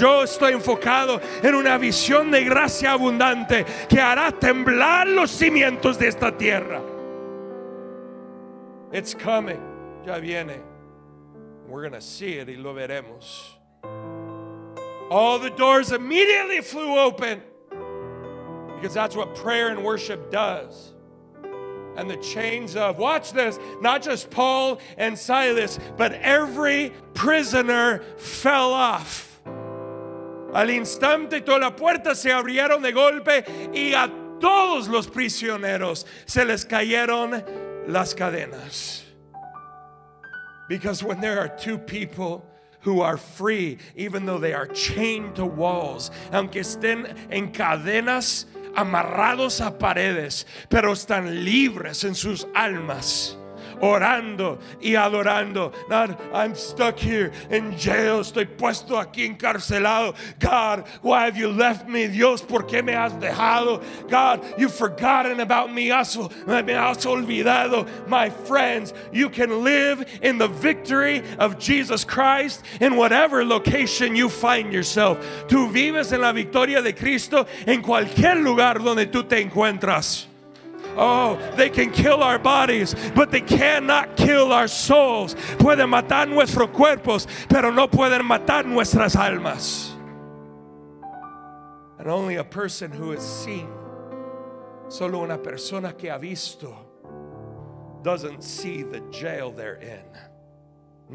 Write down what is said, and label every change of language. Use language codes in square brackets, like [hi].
[es] Yo estoy enfocado en una visión de gracia abundante que hará temblar los cimientos de esta tierra. [en] It's coming. [es] Ya viene. [en] We're going to see it [es] y lo veremos. [en] All the doors immediately flew open, because that's what prayer and worship does. And the chains of, watch this, not just Paul and Silas, but every prisoner fell off. [es] Al instante toda la puerta se abrieron de golpe y a todos los prisioneros se les cayeron las cadenas. [en] Because when there are two people who are free, even though they are chained to walls, [es] aunque estén en cadenas, amarrados a paredes, pero están libres en sus almas, orando y adorando. [en] Not, I'm stuck here in jail. [es] Estoy puesto aquí encarcelado. [en] God, why have you left me? [es] Dios, ¿por qué me has dejado? [en] God, you've forgotten about me. [es] Me has olvidado. [en] My friends, you can live in the victory of Jesus Christ in whatever location you find yourself. [es] Tú vives en la victoria de Cristo en cualquier lugar donde tú te encuentras. [en] Oh, they can kill our bodies, but they cannot kill our souls. [es] Pueden matar nuestros cuerpos, pero no pueden matar nuestras almas. [en] And only a person who has seen, [es] solo una persona que ha visto, [en] doesn't see the jail they're in.